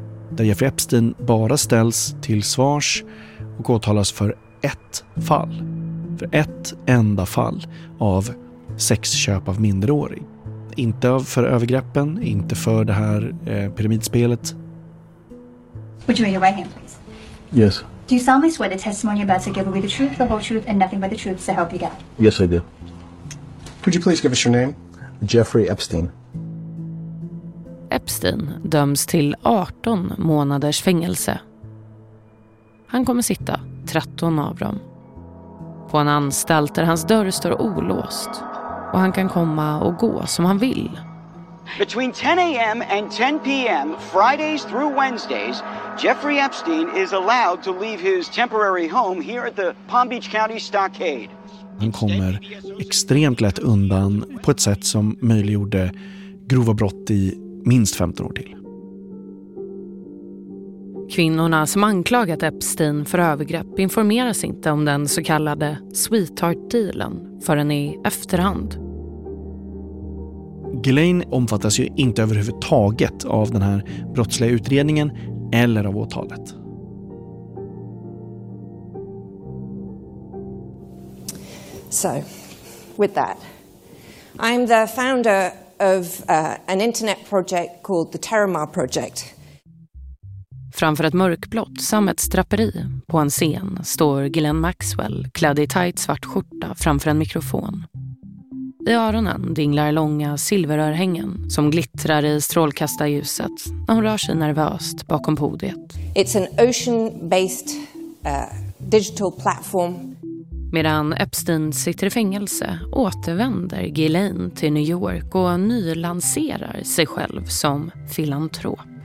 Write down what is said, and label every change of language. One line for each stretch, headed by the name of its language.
Swedish: Där Jeffrey Epstein bara ställs till svars och åtalas för ett fall. För ett enda fall av sexköp av minderårig. Inte för övergreppen, inte för det här pyramidspelet.
English: Would you raise your right hand, please? Yes. Do you solemnly swear the testimony about to give away the truth, the whole truth, and nothing but the truth to help you God? Yes, I do. Could you please give us your name? Jeffrey Epstein.
Swedish: Epstein döms till 18 månaders fängelse. Han kommer sitta 13 av dem. På en anstalt där hans dörr står olåst. Och han kan komma och gå som han vill.
English: Between 10 a.m. and 10 p.m. Fridays through Wednesdays, Jeffrey Epstein is allowed to leave his temporary home here at the Palm Beach County Stockade.
Swedish: Han kommer extremt lätt undan på ett sätt som möjliggjorde grova brott i minst 15 år till. Kvinnorna som anklagat Epstein för övergrepp informeras inte om den så kallade sweetheart-dealen förrän i efterhand. Ghislaine omfattas ju inte överhuvudtaget av den här brottsliga utredningen eller av åtalet.
English: So, with that, I'm the founder of an internet project called the Terramar Project.
Swedish: Framför ett mörkblått sammetsdraperi på en scen står Ghislaine Maxwell klädd i tajt svart skjorta framför en mikrofon. I öronen dinglar långa silverörhängen som glittrar i strålkastarljuset när hon rör sig nervöst bakom podiet.
English: It's an ocean-based digital platform.
Swedish: Medan Epstein sitter i fängelse återvänder Ghislaine till New York och nylanserar sig själv som filantrop.